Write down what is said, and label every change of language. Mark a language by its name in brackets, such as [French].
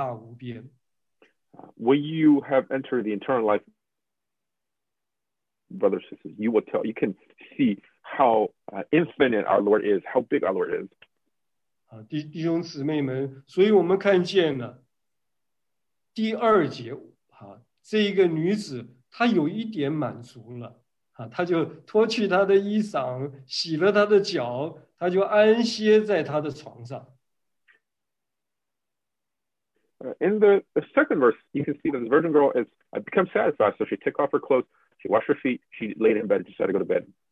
[Chinese] 弟兄姊妹们，我们将来到永世里面，我们还要永永远远的发现基督是何等的广大无边。 [English] When you have entered the eternal life, brothers and sisters, you can see how infinite our Lord is, how big our Lord is. [Chinese] 弟兄姊妹们，所以我们看见了第二节。这一个女子，她有一点满足了，她就脱去她的衣裳，洗了她的脚，她就安歇在她的床上。 [English] In the second verse, you can see that the virgin girl has become satisfied, so she took off her clothes, she washed her feet, she laid in bed, decided to go to bed.